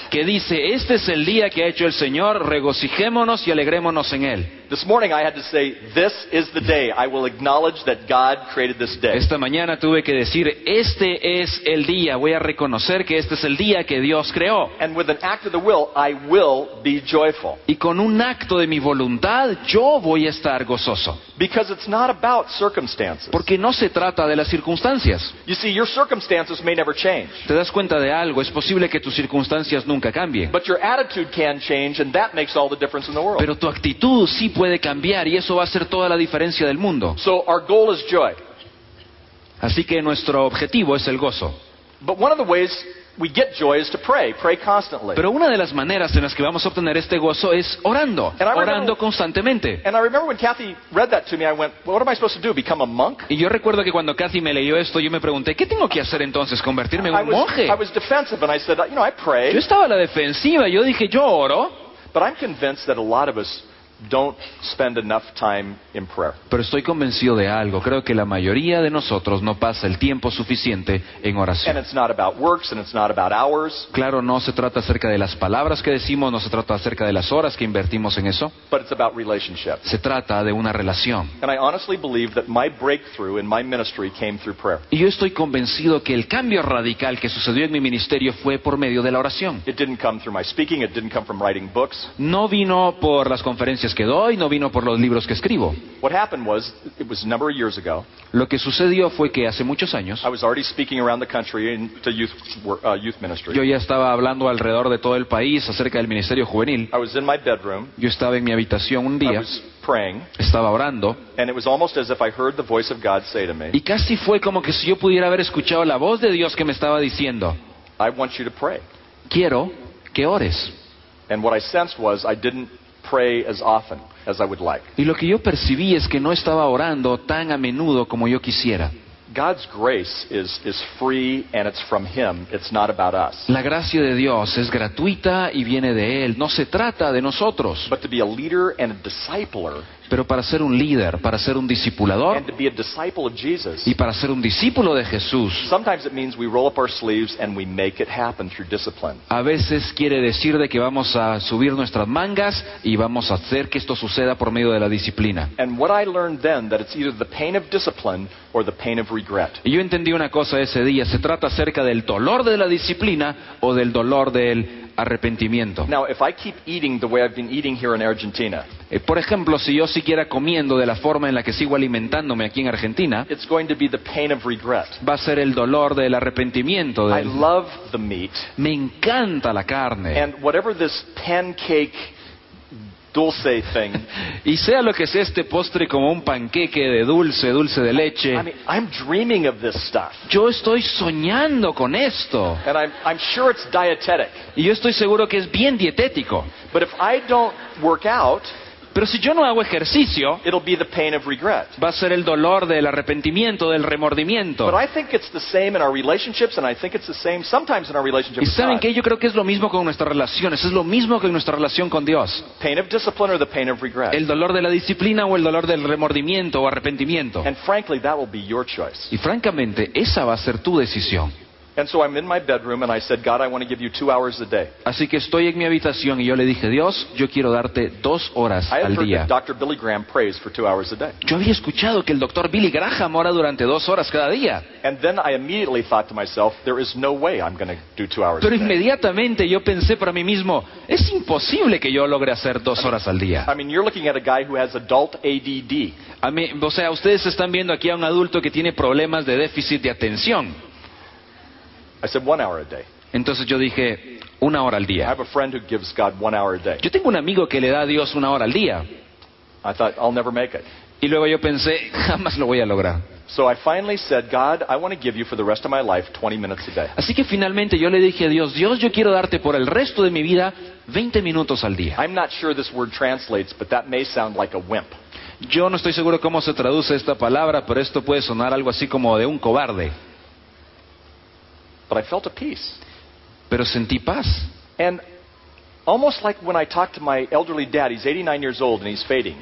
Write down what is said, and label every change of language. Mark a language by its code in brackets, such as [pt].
[es] Que dice, "Este es el día que ha hecho el Señor; regocijémonos y alegrémonos en él." [en] This morning I had to say, this is the day I will acknowledge that God created this day. [es] Esta mañana tuve que decir, este es el día. Voy a reconocer que este es el día que Dios creó. [en] And with an act of the will, I will be joyful. [es] Y con un acto de mi voluntad, yo voy a estar gozoso. [en] Because it's not about circumstances. [es] Porque no se trata de las circunstancias. [en] You see, your circumstances may never change. [es] Te das cuenta de algo. Es posible que tus circunstancias nunca cambien. [en] But your attitude can change, and that makes all the difference in the world. [es] Pero tu actitud sí puede cambiar y eso va a hacer toda la diferencia del mundo. [en] So our goal is joy. [es] Así que nuestro objetivo es el gozo. [en] But one of the ways we get joy is to pray. Pray constantly. [es] Pero una de las maneras en las que vamos a obtener este gozo es orando, constantemente. [en] And I remember when Kathy read that to me, I went, well, "What am I supposed to do? Become a monk?" [es] Y yo recuerdo que cuando Kathy me leyó esto, yo me pregunté, ¿qué tengo que hacer entonces? ¿Convertirme en un monje? [en] I was defensive and I said, "You know, I pray." [es] Yo estaba a la defensiva, yo dije, "Yo oro." [en] But I'm convinced that a lot of us don't spend enough time in prayer. [es] Pero estoy convencido de algo. Creo que la mayoría de nosotros no pasa el tiempo suficiente en oración. [en] And it's not about works and it's not about hours. [es] Claro, no se trata acerca de las palabras que decimos, no se trata acerca de las horas que invertimos en eso. [en] But it's about relationship. [es] Se trata de una relación. [en] And I honestly believe that my breakthrough in my ministry came through prayer. [es] Y yo estoy convencido que el cambio radical que sucedió en mi ministerio fue por medio de la oración. [en] It didn't come through my speaking, it didn't come from writing books. [es] No vino por las conferencias que doy, no vino por los libros que escribo. [en] What happened was, it was a number of years ago, [es] lo que sucedió fue que hace muchos años [en] I was already speaking around the country in, to youth, youth ministry. [es] Yo ya estaba hablando alrededor de todo el país acerca del ministerio juvenil. [en] I was in my bedroom, [es] yo estaba en mi habitación un día, [en] I was praying, [es] estaba orando, [en] and it was almost as if I heard the voice of God say to me, [es] y casi fue como que si yo pudiera haber escuchado la voz de Dios que me estaba diciendo, [en] I want you to pray. [es] Quiero que ores. [en] And what I sensed was, I didn't pray as often as I would like. [es] Y lo que yo percibí es que no estaba orando tan a menudo como yo quisiera. [en] God's grace is free and it's from Him. It's not about us. [es] La gracia de Dios es gratuita y viene de Él. No se trata de nosotros. [en] But to be a leader and a discipler, [es] pero para ser un líder, para ser un discipulador, [en] and to be a disciple of Jesus, [es] y para ser un discípulo de Jesús, [en] sometimes it means we roll up our sleeves and we make it happen through discipline. [es] A veces quiere decir de que vamos a subir nuestras mangas y vamos a hacer que esto suceda por medio de la disciplina. [en] And what I learned then, that it's either the pain of discipline or the pain of regret. [es] Y yo entendí una cosa ese día, se trata acerca del dolor de la disciplina o del dolor del arrepentimiento. [en] Now, if I keep eating the way I've been eating here in Argentina, [es] por ejemplo, si yo siguiera comiendo de la forma en la que sigo alimentándome aquí en Argentina, [en] it's going to be the pain of regret. [es] Va a ser el dolor del arrepentimiento. [en] I love the meat. [es] Me encanta la carne. [en] And whatever this pancake dulce thing. [es] Y sea lo que sea este postre como un panqueque de dulce, dulce de leche. [en] I mean, I'm dreaming of this stuff. [es] Yo estoy soñando con esto. [en] And I'm sure it's dietetic. [es] Y yo estoy seguro que es bien dietético. [en] But if I don't work out, [es] pero si yo no hago ejercicio, [en] it'll be the pain of regret. [es] Va a ser el dolor del arrepentimiento, del remordimiento. [en] But I think it's the same in our relationships, and I think it's the same sometimes in our relationship with God. [es] Y saben que yo creo que es lo mismo con nuestras relaciones. Es lo mismo que en nuestra relación con Dios. [en] Pain of discipline or the pain of regret. [es] El dolor de la disciplina o el dolor del remordimiento o arrepentimiento. [en] And frankly, that will be your choice. [es] Y francamente, esa va a ser tu decisión. [en] And so I'm in my bedroom and I said, God, I want to give you 2 hours a day. [es] Así que estoy en mi habitación y yo le dije, Dios, yo quiero darte 2 horas al día. [en] Dr. Billy Graham prays for 2 hours a day. [es] Yo había escuchado que el Dr. Billy Graham ora durante 2 horas cada día. [en] And then I immediately thought to myself, there is no way I'm going to do 2 hours a day. [es] Pero inmediatamente yo pensé para mí mismo, es imposible que yo logre hacer 2 horas al día. [en] I mean, you're looking at a guy who has adult ADD. [es] O sea, ustedes están viendo aquí a un adulto que tiene problemas de déficit de atención. [en] I said 1 hour a day. [es] Entonces yo dije, 1 hora al día. [en] I have a friend who gives God 1 hour a day. [es] Yo tengo un amigo que le da a Dios 1 hora al día. [en] I thought, I'll never make it. [es] Y luego yo pensé, jamás lo voy a lograr. [en] So I finally said, God, I want to give you for the rest of my life 20 minutes a day. [es] Así que finalmente yo le dije a Dios, Dios, yo quiero darte por el resto de mi vida 20 minutos al día. [en] I'm not sure this word translates, but that may sound like a wimp. [es] Yo no estoy seguro cómo se traduce esta palabra, pero esto puede sonar algo así como de un cobarde. [en] But I felt a peace. [es] Pero sentí paz. [en] And almost like when I talk to my elderly dad, he's 89 years old and he's fading.